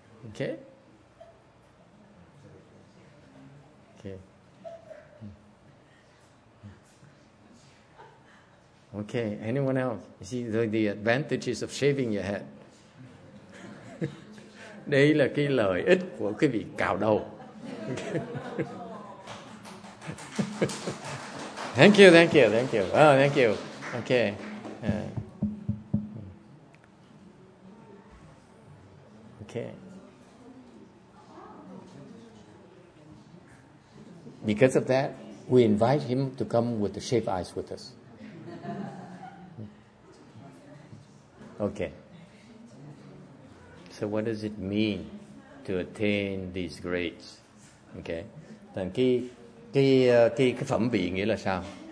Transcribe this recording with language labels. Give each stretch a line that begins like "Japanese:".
English: Okay? Okay, anyone else? You see, the advantages of shaving your head.
Vietnamese: Đây là cái lợi ích của cái việc cạo đầu.
English: Thank you. Oh, thank you. Okay. Okay. Because of that, we invite him to come with the shaved eyes with us. Okay. So what does it mean to attain these grades? Okay.
Vietnamese: Thành cái phẩm vị nghĩa là sao?